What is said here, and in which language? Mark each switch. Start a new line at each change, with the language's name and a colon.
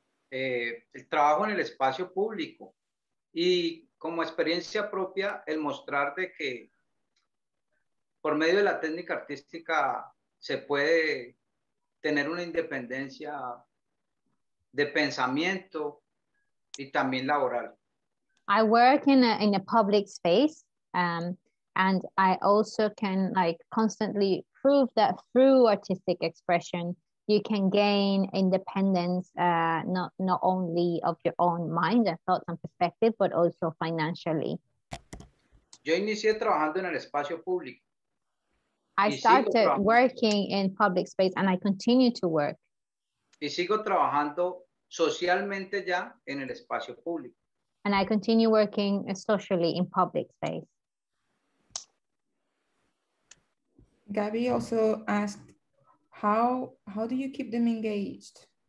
Spanish: El trabajo en el espacio público y como experiencia propia, el mostrar de que por medio de la técnica artística se puede tener una independencia de pensamiento y también laboral.
English: I work in a public space, and I also can like constantly prove that through artistic expression, you can gain independence, not only of your own mind and thoughts and perspective, but also financially.
Spanish: Yo inicié trabajando en el espacio público.
English: I started working in public space and I continue to work.
Spanish: Y sigo trabajando socialmente ya en el espacio público.
English: And I continue working socially in public space. Gabby also asked, how do you keep them engaged?